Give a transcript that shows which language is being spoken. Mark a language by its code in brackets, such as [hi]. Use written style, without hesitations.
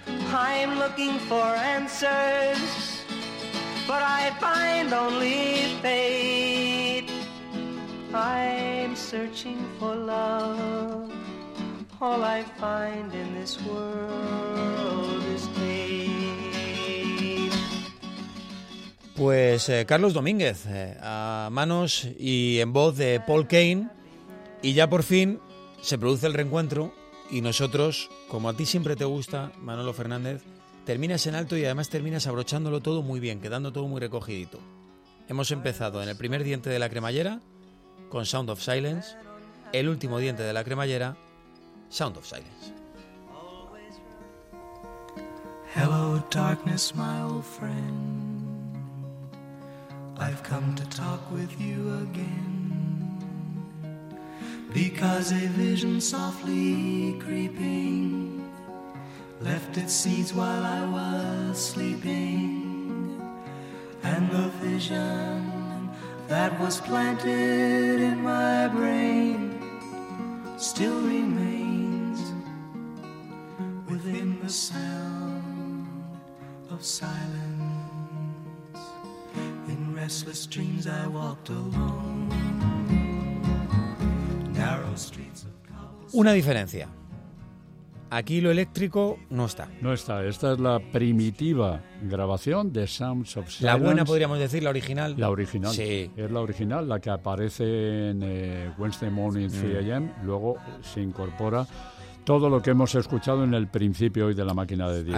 [en] I'm looking for answers, but I find only fate. I'm searching for love, all I find in this world is hate. [es] Pues Carlos Domínguez, a manos y en voz de Paul Kane, y ya por fin se produce el reencuentro, y nosotros, como a ti siempre te gusta, Manolo Fernández, terminas en alto y además terminas abrochándolo todo muy bien, quedando todo muy recogidito. Hemos empezado en el primer diente de la cremallera con Sound of Silence, el último diente de la cremallera, Sound of Silence. [en] Hello darkness, my old friend, I've come to talk with you again, because a vision softly creeping left its seeds while I was sleeping, and the vision that was planted in my brain still remains within the sound of silence. Restless dreams I walked alone. Narrow streets of cobblestone. [es] Una diferencia. Aquí lo eléctrico no está. No está. Esta es la primitiva grabación de Sounds of Silence. La buena, podríamos decir, la original. La original. Sí. Es la original, la que aparece en Wednesday Morning 3 AM. Luego se incorpora todo lo que hemos escuchado en el principio hoy de la máquina de discos.